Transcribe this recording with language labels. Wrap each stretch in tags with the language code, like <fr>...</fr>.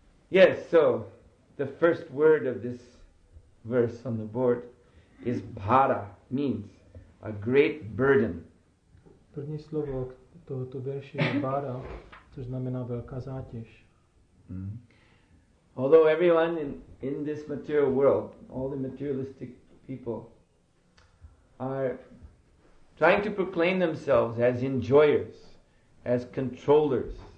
<en>Yes, so the first word of this verse on the board is bhara, means a great burden.</en> <cs>První slovo tohoto verše je bhara, což znamená velká zátěž.</cs> <en>Although everyone in this material world, all the materialistic people, are trying to proclaim themselves as enjoyers, as controllers.</en>